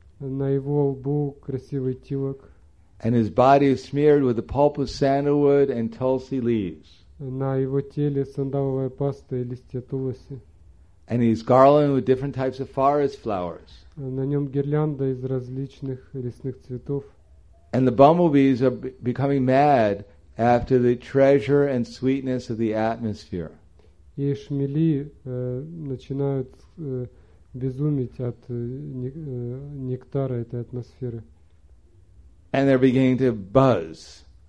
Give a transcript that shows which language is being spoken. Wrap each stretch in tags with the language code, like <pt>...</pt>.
<ru>На его лбу красивый тилак.</ru> <en>And his body is smeared with the pulp of sandalwood and tulsi leaves.</en> <ru>На его теле сандаловая паста и листья туласи.</ru> <en>And he's garlanded with different types of forest flowers.</en> <ru>На нем гирлянда из различных лесных цветов.</ru> <en>And the bumblebees are becoming mad after the treasure and sweetness of the atmosphere.</en> <ru>И шмели начинают безумить от нектара этой атмосферы.</ru> <en>And they're beginning to buzz.</en>